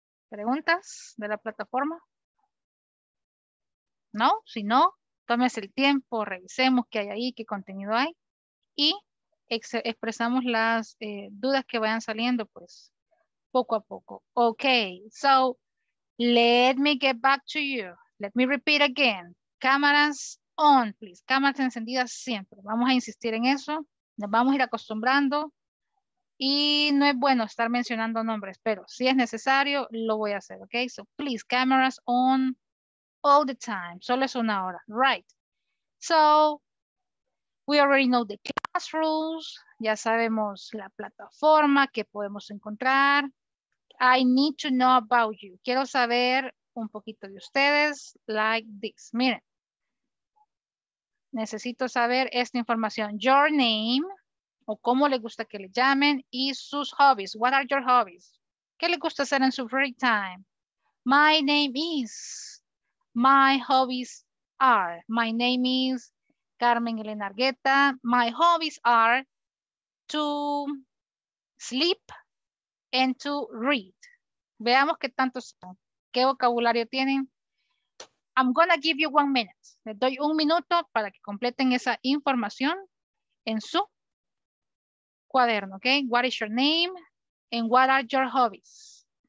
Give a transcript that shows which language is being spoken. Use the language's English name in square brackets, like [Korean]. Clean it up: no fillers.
[Spanish] ¿Preguntas de la plataforma? No, si no, tómese el tiempo, revisemos qué hay ahí, qué contenido hay. Y expresamos las dudas que vayan saliendo, pues, poco a poco. [English] Ok, so, let me get back to you. Let me repeat again. Cámaras on, please. [Spanish] Cámaras encendidas siempre. Vamos a insistir en eso. Nos vamos a ir acostumbrando. Y no es bueno estar mencionando nombres, pero si es necesario, lo voy a hacer. [English] Ok, so, please, cameras on all the time. [Spanish] Solo es una hora. [English] Right. So, we already know the class rules. [Spanish] Ya sabemos la plataforma que podemos encontrar. [English] I need to know about you. [Spanish] Quiero saber un poquito de ustedes, [English] like this. Miren. [Spanish] Necesito saber esta información. [English] Your name, [Spanish] o cómo le gusta que le llamen, y sus hobbies. [English] What are your hobbies? [Spanish] ¿Qué le gusta hacer en su free time? [English] My name is, my hobbies are. My name is Carmen Elena Argueta. My hobbies are to sleep and to read. [Spanish] Veamos qué tanto son, qué vocabulario tienen. [English] I'm gonna give you 1 minute. [Spanish] Les doy un minuto para que completen esa información en su cuaderno, ¿ok? [English] What is your name and what are your hobbies?